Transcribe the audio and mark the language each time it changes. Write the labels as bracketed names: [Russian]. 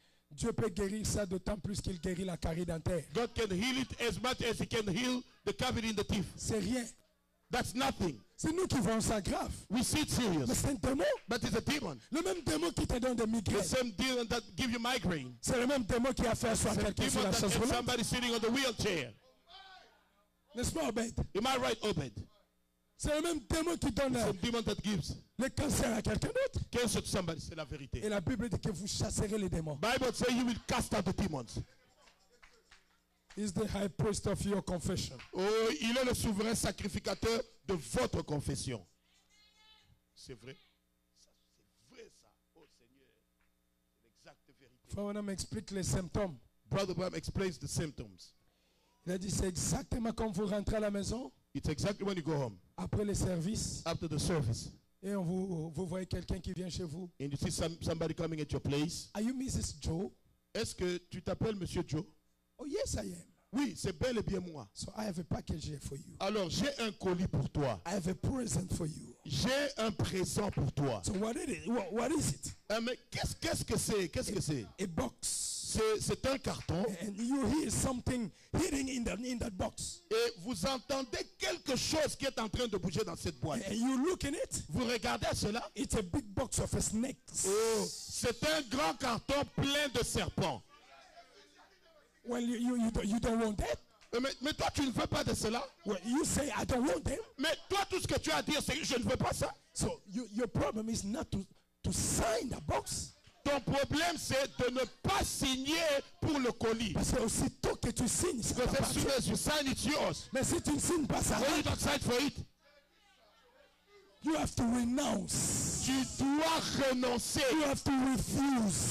[French] Dieu peut guérir ça d'autant plus qu'il guérit la carie dentaire. [English] God can heal it as much as he can heal the cavity in the teeth. [French] C'est rien. [English] That's nothing. [French] C'est nous qui voyons ça grave. [English] We see it serious. [French] Mais c'est un démon. [English] But it's a demon. [French] Le même démon qui te donne des migraines. [English] The same demon that give you migraine. [French] C'est le même démon qui a fait asseoir quelqu'un sur la chaise roulante. [English] Somebody sitting on the wheelchair. [French] N'est-ce pas Obed? [English] Am I right, Obed? [French] C'est le même démon qui donne [English] demon that gives [French] le cancer à quelqu'un d'autre. [English] Cancer to somebody, [French] c'est la vérité. Et la Bible dit que vous chasserez les démons. [English] Bible says you will cast out the demons. He's the high priest of your confession. [French] Oh, il est le souverain sacrificateur de votre confession. C'est vrai. Ça, c'est vrai ça. Oh Seigneur, c'est l'exacte vérité. Frère Branham explique les symptômes. [English] Brother Branham explains the symptoms. [French] Il a dit c'est exactement comme vous rentrez à la maison. [English] It's exactly when you go home. [French] Après le service. [English] After the service. [French] Et on vous voyez quelqu'un qui vient chez vous. [English] And you see somebody coming at your place. Are you Mrs. Joe? [French] Est-ce que tu t'appelles Monsieur Joe? [English] Oh yes, I am. [French] Oui, c'est bel et bien moi. [English] So I have a package for you. [French] Alors j'ai un colis pour toi. [English] I have a present for you. [French] J'ai un présent pour toi. [English] So what is it? [French] Mais qu'est-ce que c'est? Qu'est-ce que c'est? [English] A box. [French] C'est un carton. [English] And you hear something hitting in that box. [French] Et vous entendez quelque chose qui est en train de bouger dans cette boîte. [English] And you look in it. [French] Vous regardez cela. [English] It's a big box of snakes. [French] Oh, c'est un grand carton plein de serpents. [English] Well, you don't want that. [French] Mais toi, tu ne veux pas de cela. [English] Well, you say I don't want them. [French] Mais toi, tout ce que tu as à dire, c'est que je ne veux pas ça. [English] So your problem is not to sign the box. [French] Ton problème, c'est de ne pas signer pour le colis. Parce que aussitôt que tu signes, ça t'appartient. [English] You sign, it's yours. [French] Mais si tu ne signes pas, ça reste. [English] You don't sign for it. You have to renounce. [French] Tu dois renoncer. [English] You have to refuse.